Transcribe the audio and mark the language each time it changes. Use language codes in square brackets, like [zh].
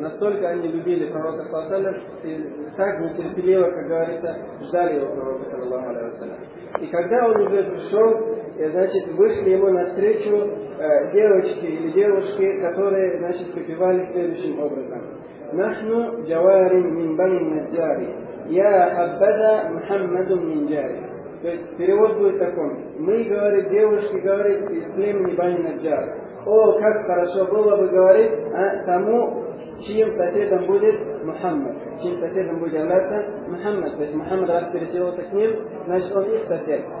[ru] Настолько они любили пророка Саллаллаху алейхи ва саллям, и так нетерпеливо, как говорится, ждали его пророка Саллаллаху алейхи ва саллям. И когда он уже пришел, значит, вышли ему навстречу девочки или девушки, которые, значит, попивали следующим образом. [ar] نحن جوار من بني النجار يا حبذا محمد من جاري. [ru] То есть перевод будет таком: мы, говорит, девушки, говорит, из племени бани Наджар. О, как хорошо было бы, говорит, тому, чьим соседом будет Мухаммад. Чьим соседом будет являться Мухаммад. То есть Мухаммад раз переселился к ним, значит, он их сосед.